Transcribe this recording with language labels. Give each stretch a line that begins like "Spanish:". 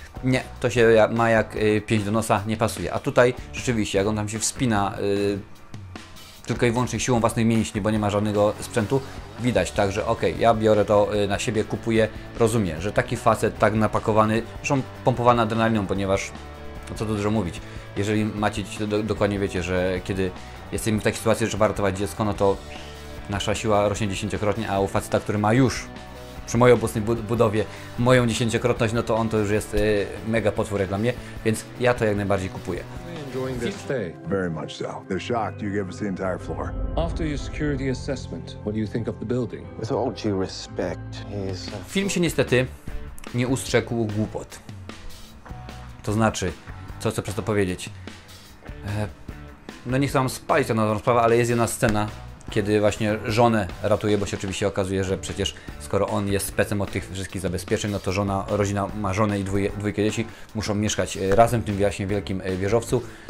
Polish: Nie, to się ma jak pięść do nosa, nie pasuje. A tutaj rzeczywiście, jak on tam się wspina tylko i wyłącznie siłą własnych mięśni, bo nie ma żadnego sprzętu, widać tak, że okej, ja biorę to na siebie, kupuję, rozumiem, że taki facet tak napakowany, zresztą pompowany adrenaliną, ponieważ no co tu dużo mówić, jeżeli macie dzieci, to dokładnie wiecie, że kiedy jesteśmy w takiej sytuacji, że trzeba ratować dziecko, no to nasza siła rośnie 10-krotnie, a u faceta, który ma już przy mojej obecnej budowie moją 10-krotność, no to on to już jest mega potwór dla mnie, więc ja to jak najbardziej kupuję.
English: Very much so. They're shocked you gave us the entire floor. After your security assessment, what do you think of the building? With all due respect, he's...
Polish: Film się niestety nie ustrzegł głupot. To znaczy, co chcę przez to powiedzieć? No nie chcę wam spalić na tą sprawę, ale jest jedna scena, kiedy właśnie żonę ratuje, bo się oczywiście okazuje, że przecież skoro on jest specem od tych wszystkich zabezpieczeń, no to żona, rodzina ma żonę i dwójkę dzieci, muszą mieszkać razem w tym właśnie wielkim wieżowcu.